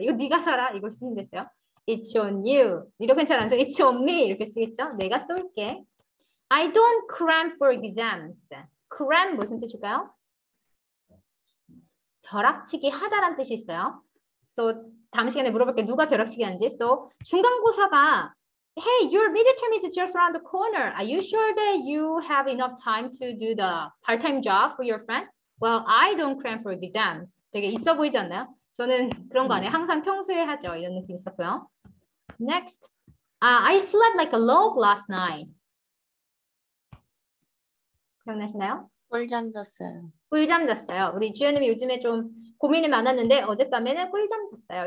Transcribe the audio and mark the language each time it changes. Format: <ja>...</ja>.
<ko>이거 네가 살아 이걸 쓰신댔어요.</ko> <en>It's on you.</en> <ko>이렇게 잘 안 써.</ko> <en>It's on me</en> <ko>이렇게 쓰겠죠. 내가 쏠게.</ko> <en>I don't cram for exams. Cram</en> <ko>무슨 뜻일까요? 벼락치기 하다란 뜻이 있어요. So 다음 시간에 물어볼게 누가 벼락치기 하는지.</ko> <en>So</en> <ko>중간고사가</ko> <en>Hey, your midterm is just around the corner. Are you sure that you have enough time to do the part-time job for your friend? Well, I don't cram for exams.</en> <ko>되게 있어 보이지 않나요? 저는 그런 거 안 해. 항상 평소에 하죠. 이런 느낌 있었고요. Next.</ko> <en>I slept like a log last night.</en> <ko>기억나시나요? 꿀잠 잤어요. 꿀잠 잤어요. 우리 주연님이 요즘에 좀 고민이 많았는데 어젯밤에는 꿀잠 잤어요.</ko>